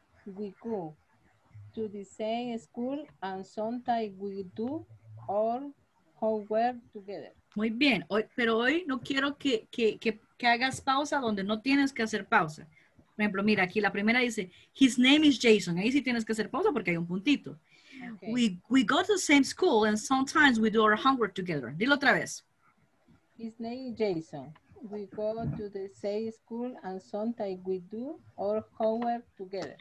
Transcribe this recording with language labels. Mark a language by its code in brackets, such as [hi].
[en] We go to the same school and sometimes we do our homework together. [es] Muy bien. Hoy, pero hoy no quiero que hagas pausa donde no tienes que hacer pausa. Por ejemplo, mira, aquí la primera dice, [en] his name is Jason. [es] Ahí sí tienes que hacer pausa porque hay un puntito. [en] Okay. We go to the same school and sometimes we do our homework together. [es] Dilo otra vez. [en] His name is Jason. We go to the same school and sometimes we do our homework together.